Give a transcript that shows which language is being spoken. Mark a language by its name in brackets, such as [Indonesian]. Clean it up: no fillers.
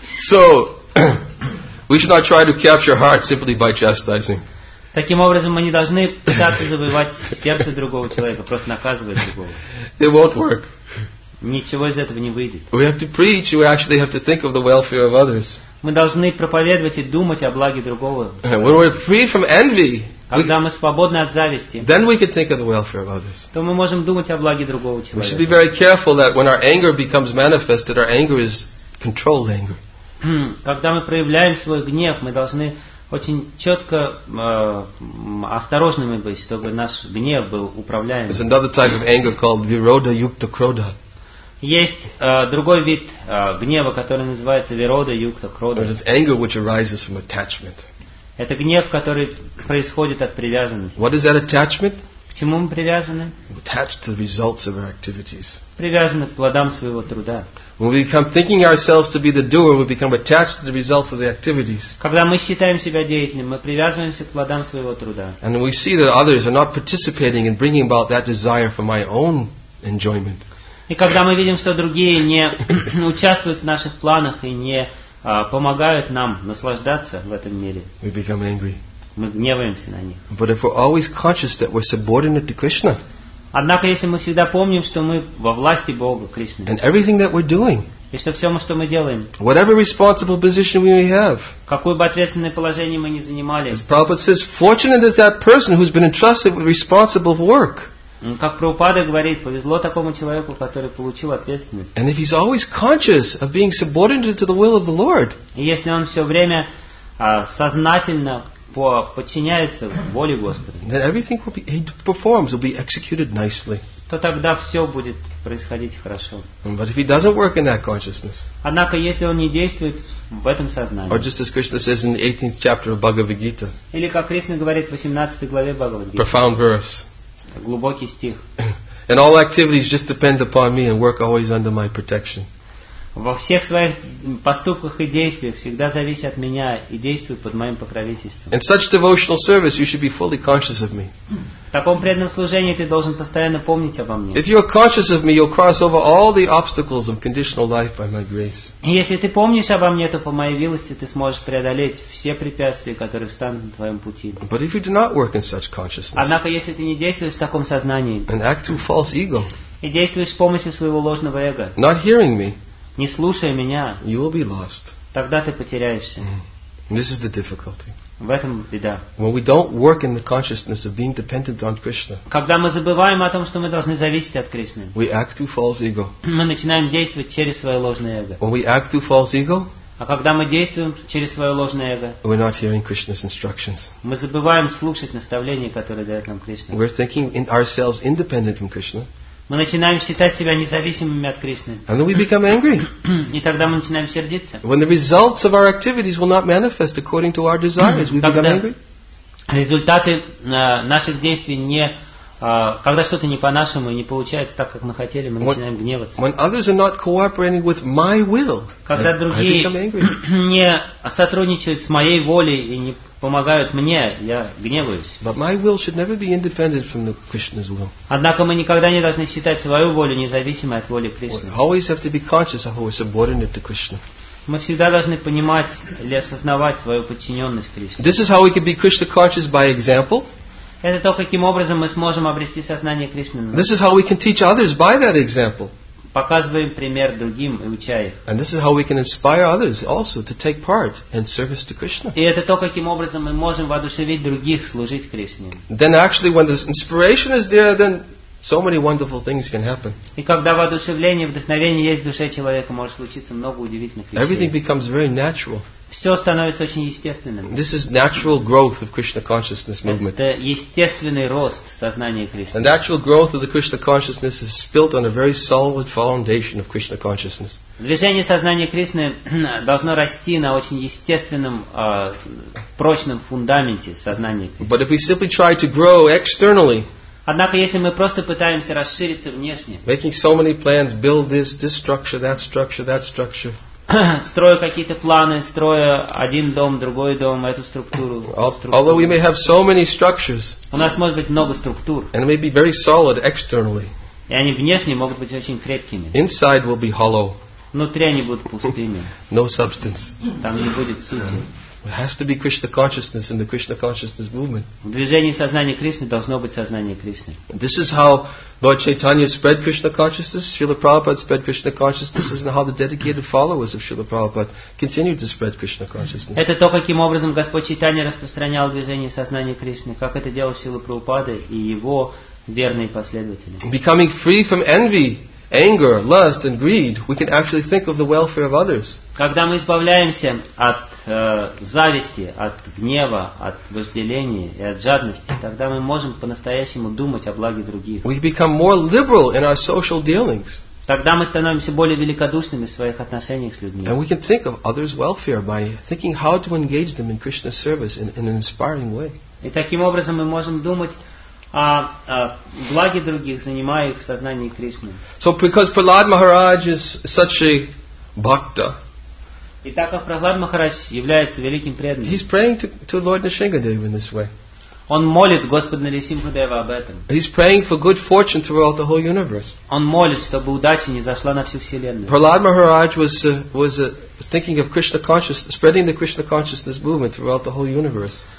[English] So, we should not try to capture heart simply by chastising. [Russian] Таким образом, мы не должны пытаться завоевать сердце другого человека, просто наказывать другого. [English] It won't work. [Russian] Ничего из этого не выйдет. [English] We have to preach, we actually have to think of the welfare of others. [Russian] Мы должны проповедовать и думать о благе другого. [English] When we're free from envy, [Russian] когда мы свободны от зависти, [English] then we can think of the welfare of others. [Russian] То мы можем думать о благе другого человека. [English] We should be very careful that when our anger becomes manifest, that our anger is controlled anger. [Russian] Когда мы проявляем свой гнев, мы должны очень четко осторожными быть, чтобы наш гнев был управляемым. [English] There's another type of anger called Virodha Yukta Krodha. [Russian] Есть другой вид гнева, который называется Вирода Юкта Крода. [English] It is anger which arises from attachment. [Russian] Это гнев, который происходит от привязанности. [English] What is that attachment? [Russian] К чему мы привязаны? [English] Attached to the results of our activities. [Russian] Привязаны к плодам своего труда. [English] When we become thinking ourselves to be the doer, we become attached to the results of the activities. [Russian] Когда мы считаем себя деятелем, мы привязываемся к плодам своего труда. [English] And we see that others are not participating in bringing about that desire for my own enjoyment. [Russian] И когда мы видим, что другие не участвуют в наших планах и не помогают нам наслаждаться в этом мире, [English] we become angry. [Russian] Мы гневаемся на них. [English] But if we're always conscious that we're subordinate to Krishna, [Russian] однако если мы всегда помним, что мы во власти Бога Кришны, [English] and everything that we're doing, [Russian] и что все, что мы делаем, [English] whatever responsible position we may have, [Russian] какое бы ответственное положение мы ни занимали, [English] as Prabhupada says, fortunate is that person who's been entrusted with responsible work. [Russian] Как Прабхупада говорит, повезло такому человеку, который получил ответственность. [English] And if he's always conscious of being subordinate to the will of the Lord, [Russian] и если он все время сознательно подчиняется воле Господа, [English] then everything he performs will be executed nicely. [Russian] то тогда все будет происходить хорошо. [English] But if he doesn't work in that consciousness, [Russian] однако, если он не действует в этом сознании, [English] or just as Krishna says in the 18th chapter of Bhagavad Gita, [Russian] или как Кришна говорит в 18 главе Бхагавад Гиты, [English] profound verse, [Russian] глубокий стих, [English] and all activities just depend upon me and work always under my protection. [Russian] Во всех своих поступках и действиях всегда зависит от меня и действует под моим покровительством. [English] In such devotional service, you should be fully conscious of me. [Russian] В таком преданном служении ты должен постоянно помнить обо мне. [English] If you are conscious of me, you'll cross over all the obstacles of conditional life by my grace. [Russian] Если ты помнишь обо мне, то по моей милости ты сможешь преодолеть все препятствия, которые встанут на твоем пути. [English] But if you do not work in such consciousness, [Russian] однако если ты не действуешь в таком сознании, [English] and act through false ego, [Russian] и действуешь с помощью своего ложного эго, [English] not hearing me, [Russian] не слушая меня, [English] you will be lost. [Russian] Тогда ты потеряешься. [English] This is the difficulty. [Russian] В этом беда. [English] When we don't work in the consciousness of being dependent on Krishna, [Russian] когда мы забываем о том, что мы должны зависеть от Кришны, [English] we act through false ego. [Russian] Мы начинаем действовать через свое ложное эго. [English] When we act through false ego, [Russian] а когда мы действуем через свое ложное эго, [English] we're not hearing Krishna's instructions. [Russian] Мы забываем слушать наставления, которые дает нам Кришна. [English] We're thinking in ourselves independent from Krishna. [Russian] Мы начинаем считать себя независимыми от Кришны. [English] And then we become angry. [Russian] И тогда мы начинаем сердиться. [English] When the results of our activities will not manifest according to our desires, we become angry. [Russian] Результаты наших действий не, когда что-то не по-нашему и не получается так, как мы хотели, мы начинаем гневаться. [English] When others are not cooperating with my will, [Russian] когда другие не сотрудничают с моей волей и не помогают мне, я гневаюсь. [English] But my will should never be independent from the Krishna's will. [Russian] Однако мы никогда не должны считать свою волю независимой от воли Кришны. [English] We always have to be conscious of how we're subordinate to Krishna. [Russian] Мы всегда должны понимать или осознавать свою подчиненность Кришне. [English] This is how we can be Krishna conscious by example. [Russian] Это то, каким образом мы сможем обрести сознание Кришны. [English] This is how we can teach others by that example. [Russian] Показываем пример другим и учая. [English] And this is how we can inspire others also to take part in service to Krishna. [Russian] И это то, каким образом мы можем воодушевить других служить Кришне. [English] Then actually, when the inspiration is there, then so many wonderful things can happen. [Russian] И когда воодушевление, вдохновение есть в душе человека, может случиться много удивительных вещей. [English] Everything becomes very natural. [Russian] Все становится очень естественным. [English] This is natural growth of Krishna consciousness movement. [Russian] Это естественный рост сознания Кришны. [English] And actual growth of the Krishna consciousness is built on a very solid foundation of Krishna consciousness. [Russian] Движение сознания Кришны должно расти на очень естественном, прочном фундаменте сознания Кришны. [English] But if we simply try to grow externally, [Russian] однако, если мы просто пытаемся расшириться внешне, [English] making so many plans, build this structure, that structure, that structure, [Russian] строя какие-то планы, строя один дом, другой дом, эту структуру. [English] Although we may have so many structures, [Russian] у нас может быть много структур, [English] and may be very solid externally, [Russian] и они внешне могут быть очень крепкими. [English] Inside will be hollow. [Russian] Внутри они будут пустыми. [English] No substance. [Russian] Там не будет сути. [English] It has to be Krishna consciousness in the Krishna consciousness movement. [Russian] В движении сознания Кришны должно быть сознание Кришны. [English] This is how Lord Chaitanya spread Krishna consciousness, Srila Prabhupada spread Krishna consciousness, and how the dedicated followers of Srila Prabhupada continued to spread Krishna consciousness. [Russian] Это то, каким образом Господь Чайтанья распространял движение сознания Кришны, как это делал Сила Прабхупада и его верные последователи. [English] Becoming free from envy, anger, lust, and greed, we can actually think of the welfare of others. [Russian] Когда мы избавляемся от зависти, от гнева, от вожделения и от жадности, тогда мы можем по-настоящему думать о благе других. [English] We become more liberal in our social dealings. [Russian] Тогда мы становимся более великодушными в своих отношениях с людьми. [English] And we can think of others' welfare by thinking how to engage them in Krishna's service in an inspiring way. [Russian] И таким образом мы можем думать о благе других, занимая их в сознании Кришны. [English] So because Prahlad Maharaj is such a bhakta, [Russian] и так как Прохлад Махарадж является великим преданным, [English] he's praying to Lord Нарсингхадева in this way. [Russian] Он молит Господа Нарсингхадева об этом. [English] He's praying for good fortune throughout the whole universe. [Russian] Он молит, чтобы удача не зашла на всю вселенную. [English] Prahlad Maharaj was thinking of Krishna consciousness, spreading the Krishna consciousness movement throughout the whole universe.